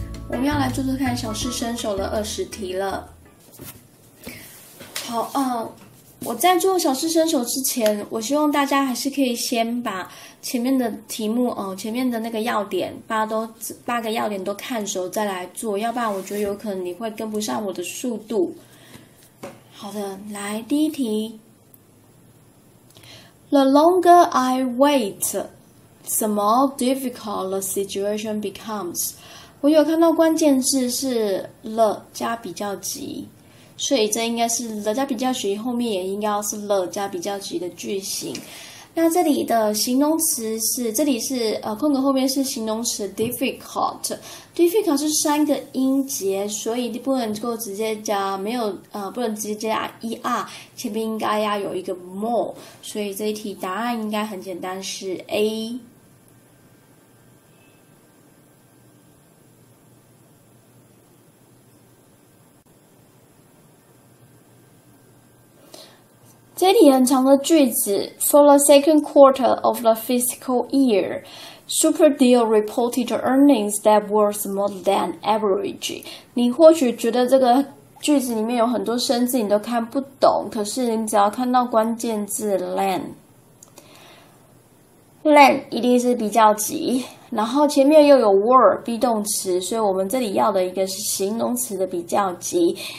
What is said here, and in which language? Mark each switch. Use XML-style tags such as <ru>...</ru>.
<zh>们要来做做看小试身手的20题了。好，我在做小试身手之前，我希望大家还是可以先把前面的题目，前面的那个要点，八个要点都看熟再来做，要不然我觉得有可能你会跟不上我的速度。好的，来第一题。</zh> <en>The longer I wait, the more difficult the situation becomes.</en> <zh>我有看到关键字是 the 加比较级，所以这应该是 the 加比较级，后面也应该是 the 加比较级的句型。那这里的形容词是，这里是空格后面是形容词 difficult。 difficult 是三个音节，所以不能够直接加，没有不能直接加 er， 前面应该要有一个 more。所以这一题答案应该很简单，是 A。这里很长的句子</zh> <en>，For the second quarter of the fiscal year, Superdeal reported earnings that were more than average.</en> <zh>你或许觉得这个句子里面有很多生字你都看不懂，可是你只要看到关键字 than 一定是比较级，然后前面又有 were be 动词，所以我们这里要的一个是形容词的比较级。</zh>